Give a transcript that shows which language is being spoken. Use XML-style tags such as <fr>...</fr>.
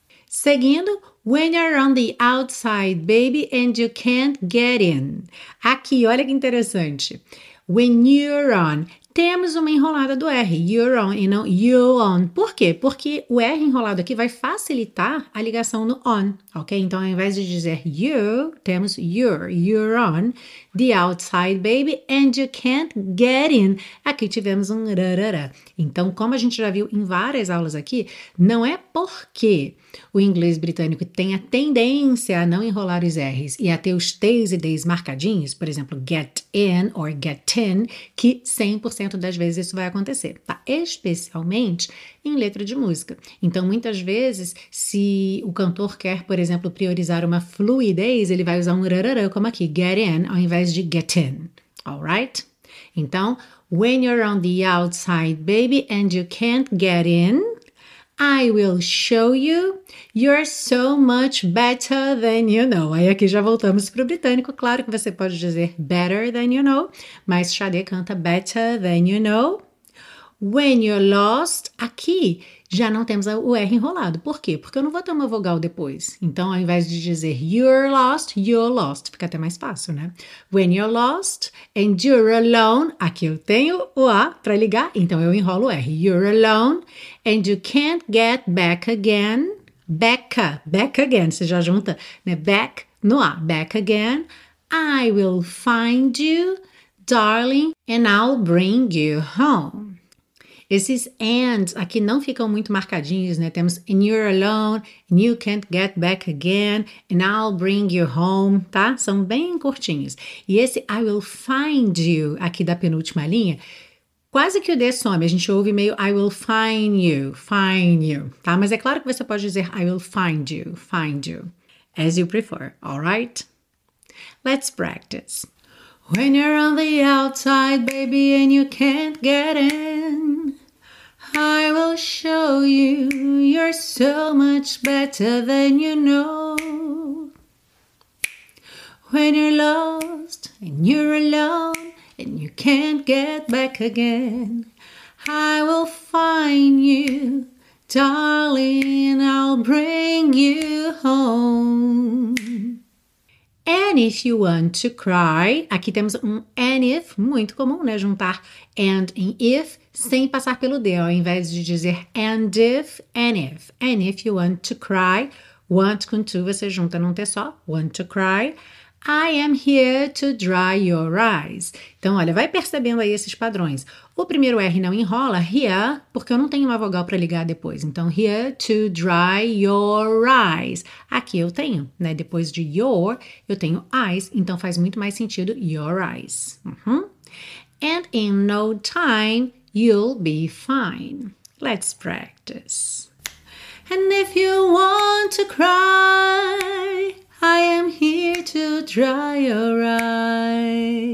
<en>Seguindo, when you're on the outside, baby, and you can't get in.</en> <pt>Aqui, olha que interessante.</pt> <en>When you're on,</en> <pt>temos uma enrolada do R,</pt> <en>you're on</en> <pt>e não you're on. Por quê? Porque o R enrolado aqui vai facilitar a ligação no on, ok? Então, ao invés de dizer</pt> <en>you,</en> <pt>temos</pt> <en>you're on, the outside baby, and you can't get in.</en> <pt>Aqui tivemos um rarara. Então, como a gente já viu em várias aulas aqui, não é porque o inglês britânico tem a tendência a não enrolar os R's e a ter os T's e D's marcadinhos, por exemplo,</pt> <en>get in or get in,</en> <pt>que 100% das vezes isso vai acontecer, tá? Especialmente em letra de música. Então, muitas vezes, se o cantor quer, por exemplo, priorizar uma fluidez, ele vai usar um rararã, como aqui,</pt> <en>get in,</en> <pt>ao invés de get in, alright?</pt> <en>Então, when you're on the outside, baby, and you can't get in, I will show you you're so much better than you know.</en> <pt>Aí aqui já voltamos para o britânico. Claro que você pode dizer</pt> <en>better than you know,</en> <pt>mas Sade canta better than you know.</pt> <en>When you're lost,</en> <pt>aqui já não temos o R enrolado. Por quê? Porque eu não vou ter uma vogal depois. Então, ao invés de dizer</pt> <en>you're lost,</en> <pt>fica até mais fácil, né?</pt> <en>When you're lost and you're alone,</en> <pt>aqui eu tenho o A para ligar, então eu enrolo o R.</pt> <en>You're alone and you can't get back again. Back again,</en> <pt>você já junta, né? Back no A. Back again.</pt> <en>I will find you, darling, and I'll bring you home.</en> <pt>Esses and aqui não ficam muito marcadinhos, né? Temos</pt> <en>and you're alone, and you can't get back again, and I'll bring you home, tá?</en> <pt>São bem curtinhos. E esse</pt> <en>I will find you</en> <pt>aqui da penúltima linha, quase que o D some. A gente ouve meio I will find you, tá? Mas é claro que você pode dizer</pt> <en>I will find you, as you prefer, alright? Let's practice. When you're on the outside, baby, and you can't get in, I will show you you're so much better than you know. When you're lost and you're alone and you can't get back again, I will find you, darling, I'll bring you home. And if you want to cry,</en> <pt>aqui temos and if, muito comum, né, juntar and em if, sem passar pelo D, ao invés de dizer and if, you</pt> <en>want to cry, want com to, você junta num T só, want to cry, I am here to dry your eyes.</en> <pt>Então, olha, vai percebendo aí esses padrões. O primeiro R não enrola, here, porque eu não tenho uma vogal para ligar depois.</pt> <en>Então, here to dry your eyes.</en> <pt>Aqui eu tenho, né? Depois de your, eu tenho eyes. Então, faz muito mais sentido</pt> <en>your eyes. Uhum. And in no time, you'll be fine. Let's practice. And if you want to cry, I am here to dry your eyes.</en>